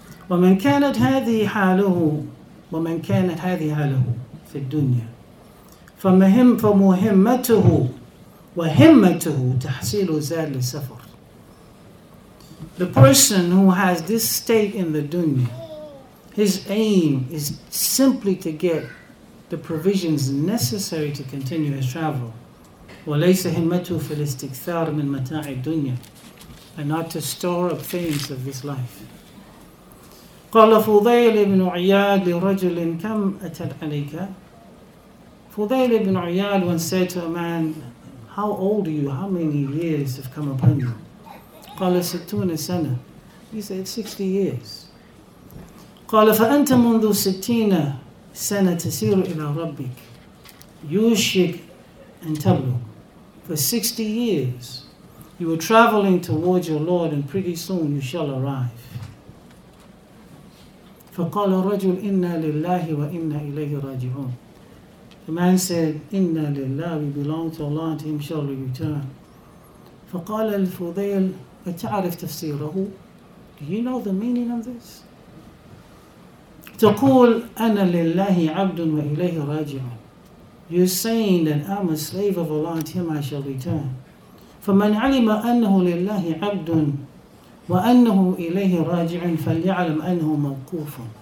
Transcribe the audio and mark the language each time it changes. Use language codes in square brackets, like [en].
[ar] وَمَنْ كَانَتْ هَذِهِ حَالُهُ وَمَنْ كَانَتْ هَذِهِ حَالُهُ فِي الدُّنْيَا فَمُهِمَّتُهُ وَهِمَّتُهُ تَحْسِيلُ زَادِ السَّفَرِ [en] The person who has this state in the dunya, his aim is simply to get the provisions necessary to continue his travel. [ar] وَلَيْسَ هِمَّتُهُ فِي الْإِسْتِكْثَارِ مِنْ مَتَاعِ الدُّنْيَا [en] and not to store up things of this life. [ar] قال فضيل بن عياد لرجل كم أتت عليك. [en] فضيل بن عياد once said to a man, how old are you? How many years have come upon you? [ar] قال ستون سنة. [en] He said 60 years. [ar] قال فأنت منذ ستين سنة تسير إلى ربك. يوشك أن تبلغ. [en] For 60 years, you were traveling towards your Lord and pretty soon you shall arrive. [ar] فقال الرجل إنا لله وإنا إليه راجعون. [en] The man said, [ar] إنا لله, [en] we belong to Allah and to Him shall we return. [ar] فقال الفضيل أتعرف تفسيره. [en] Do you know the meaning of this? [ar] تقول أنا لله عبد وإليه راجعون. [en] You're saying that I'm a slave of Allah and to Him I shall return. [ar] فمن علم أنه لله عبد وأنه إليه راجع فليعلم أنه موقوف.